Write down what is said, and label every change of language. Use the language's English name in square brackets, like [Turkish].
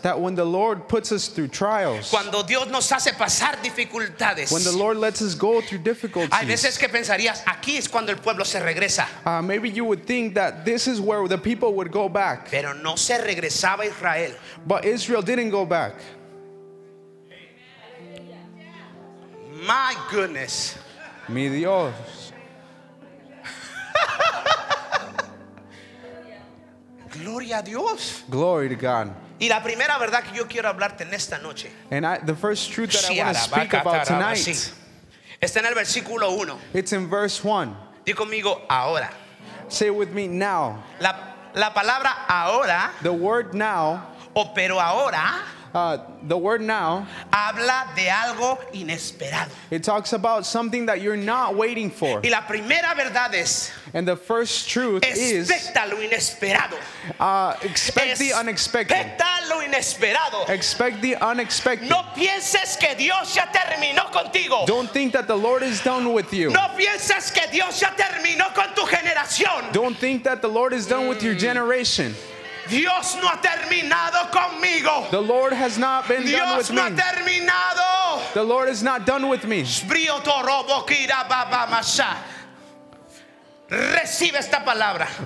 [English] that when the Lord puts us through trials, [Spanish] cuando Dios nos hace pasar dificultades, [English] when the Lord lets us go through difficulties, [Spanish] hay veces que pensarías, aquí es cuando el pueblo se regresa. [English] Maybe you would think that this is where the people would go back. [Spanish] Pero no se regresaba Israel. [English] But Israel didn't go back. My goodness. [Spanish] Mi Dios. Gloria a Dios. [English] Glory to God. [Spanish] Y la primera verdad que yo quiero hablarte en esta noche. [English] And I, the first truth that I want to speak about tonight. [Spanish] Está en el versículo 1. [English] It's in verse 1. [Spanish] Dí conmigo ahora. [English] Say it with me now. [Spanish] La palabra ahora. [English] The word now. [Spanish] O pero ahora. [English] The word now. [Spanish] Habla de algo inesperado. [English] It talks about something that you're not waiting for. [Spanish] Y la primera verdad es. [English] And the first truth is. [Spanish] Expecta lo inesperado. [English] Expect the unexpected. [Spanish] Expecta lo inesperado. [English] Expect the unexpected. [Spanish] No pienses que Dios ya terminó contigo. [English] Don't think that the Lord is done with you. [Spanish] No pienses que Dios ya terminó con tu generación. [English] Don't think that the Lord is done with your generation. [Spanish] Dios no ha terminado conmigo. [English] The Lord has not been [Spanish] Dios [English] done with [Spanish] no [English] me. [Spanish] Ha terminado. [English] The Lord is not done with me. [Spanish] Recibe esta palabra.